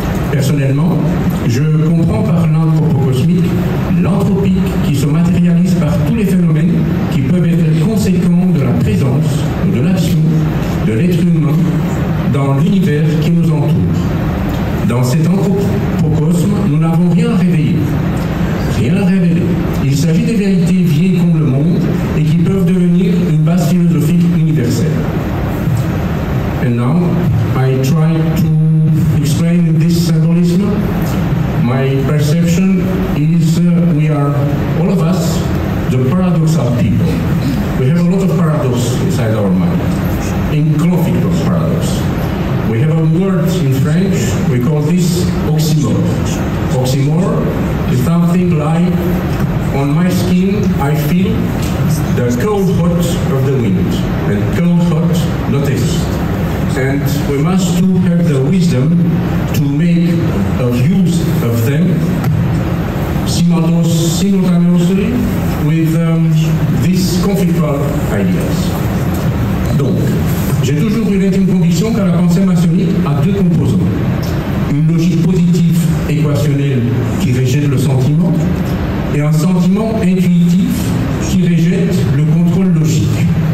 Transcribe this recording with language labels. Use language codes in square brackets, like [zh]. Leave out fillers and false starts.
[fr] Personnellement, je comprends par l'anthropocosmique l'anthropique qui se matérialise par tous les phénomènes qui peuvent être conséquents de la présence ou de l'action de l'être humain dans l'univers qui nous entoure. Dans cet anthropocosme, nous n'avons rien à réveiller, rien à révéler. Il s'agit des vérités vieilles comme le monde et qui peuvent devenir une base philosophique universelle. [en] And now, I try to explain this symbolism. My perception is we are, all of us, the paradox of people. We have a lot of paradox inside our mind. In conflict of paradox. We have a word in French, we call this oxymore. Oxymore is something like, on my skin I feel the cold hot of the wind, and cold hot not exist. And we must too have the wisdom to make a use of them simultaneously with these conflictual ideas. [fr] Donc, j'ai toujours eu l'intime conviction que la pensée maçonnique a deux composants. Une logique positive équationnelle qui rejette le sentiment et un sentiment intuitif qui rejette le contrôle logique.